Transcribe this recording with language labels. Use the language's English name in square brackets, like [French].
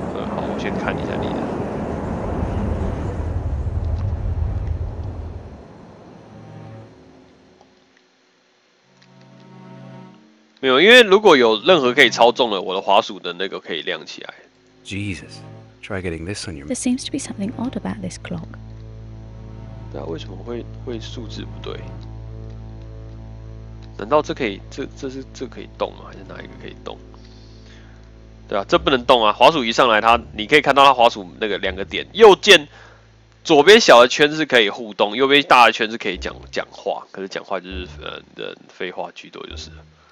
[Chinese] 好，我先看一下你的。没有，因为如果有任何可以操纵的，我的滑鼠的那个可以亮起来。 [English] Jesus, try getting this on your. There seems to be something odd about this clock. [Chinese] 对啊，为什么会数字不对？难道这可以这可以动吗？还是哪一个可以动？对啊，这不能动啊！滑鼠一上来它，你可以看到它滑鼠那个两个点，右键左边小的圈是可以互动，右边大的圈是可以讲话，可是讲话就是废话居多就是了。